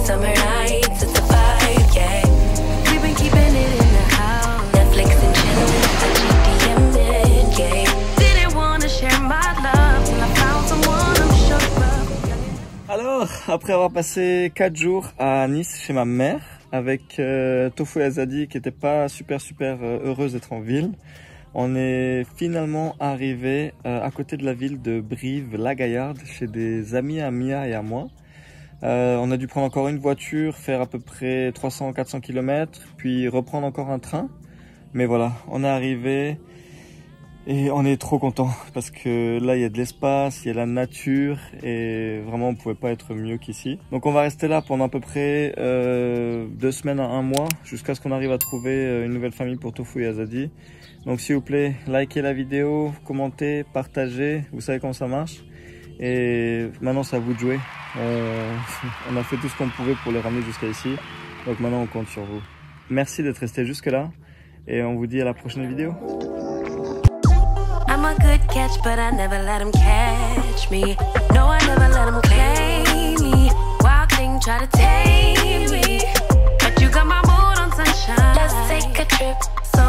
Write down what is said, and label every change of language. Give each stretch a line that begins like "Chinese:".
English: Summer nights, it's a vibe, yeah. We've been keeping it in the house. Netflix and chilling, GDM in, yeah. Didn't wanna share my love till I found someone.
French: Alors, après avoir passé 4 jours à Nice chez ma mère, avec Tofu et Azadi qui n'étaient pas super heureuses d'être en ville, on est finalement arrivé à côté de la ville de Brive-la-Gaillarde, chez des amis à Mia et à moi. On a dû prendre encore une voiture, faire à peu près 300-400 km, puis reprendre encore un train. Mais voilà, on est arrivé et on est trop content parce que là, il y a de l'espace, il y a la nature et vraiment, on pouvait pas être mieux qu'ici. Donc, on va rester là pendant à peu près 2 semaines à 1 mois jusqu'à ce qu'on arrive à trouver une nouvelle famille pour Tofu et Azadi. Donc, s'il vous plaît, likez la vidéo, commentez, partagez. Vous savez comment ça marche. Et maintenant, c'est à vous de jouer. On a fait tout ce qu'on pouvait pour les ramener jusqu'à ici. Donc, maintenant, on compte sur vous. Merci d'être resté jusque là et on vous dit à la prochaine vidéo.
English: I'm a good catch, but I never let them catch me. No, I never let them claim me. Wild thing try to tame me. But you got my mood on sunshine. Let's take a trip.